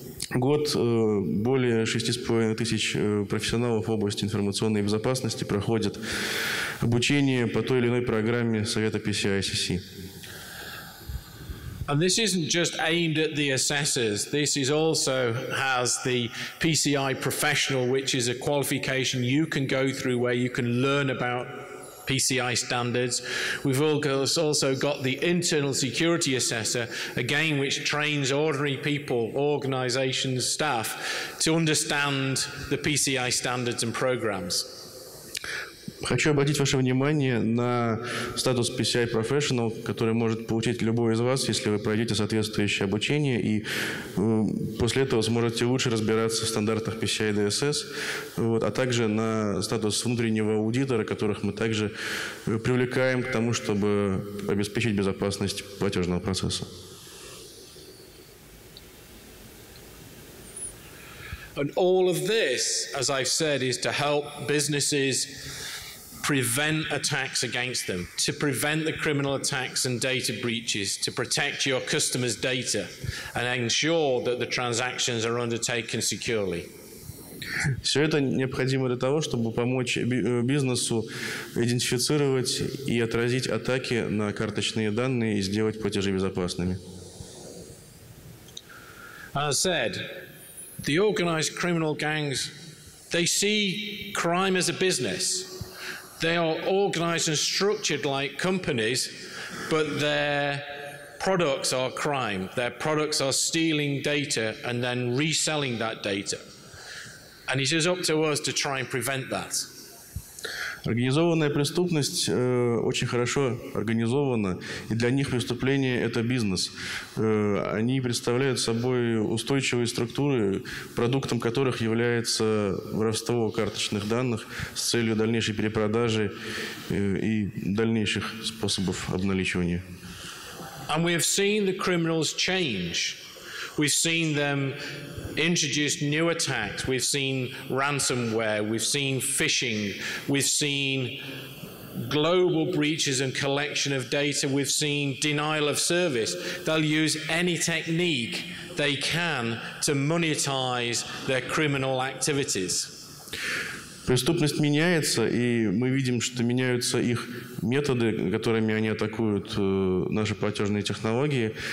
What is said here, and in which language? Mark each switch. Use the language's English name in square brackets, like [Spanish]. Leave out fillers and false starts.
[Russian] год более 6500 профессионалов в области информационной безопасности проходят обучение по той или иной программе Совета PCI SSC. [English] And this isn't just aimed at the assessors. This is also has the PCI professional, which is a qualification you can go through where you can learn about PCI standards. We've also got the internal security assessor, again, which trains ordinary people, organizations, staff, to understand the PCI standards and programs. [Russian] Хочу обратить ваше внимание на статус PCI Professional, который может получить любой из вас, если вы пройдете соответствующее обучение, и после этого сможете лучше разбираться в стандартах PCI DSS, вот, а также на статус внутреннего аудитора, которых мы также привлекаем к тому, чтобы обеспечить безопасность платежного процесса. [English] And all of this, as I've said, is to help businesses prevent attacks against them, to prevent the criminal attacks and data breaches, to protect your customers' data, and ensure that the transactions are undertaken securely. [Russian] Все это необходимо для того, чтобы помочь бизнесу идентифицировать и отразить атаки на карточные данные и сделать платежи безопасными. [English] As I said, the organized criminal gangs, they see crime as a business. They are organized and structured like companies, but their products are crime. Their products are stealing data and then reselling that data. And it is up to us to try and prevent that. [Russian] Организованная преступность очень хорошо организована, и для них преступление – это бизнес. Они представляют собой устойчивые структуры, продуктом которых является воровство карточных данных с целью дальнейшей перепродажи и дальнейших способов обналичивания. [English] And we have seen the criminals change. We've seen them introduce new attacks. We've seen ransomware. We've seen phishing. We've seen global breaches and collection of data. We've seen denial of service. They'll use any technique they can to monetize their criminal activities. [Russian] Преступность меняется, и мы видим, что меняются их методы, которыми они атакуют наши платежные технологии.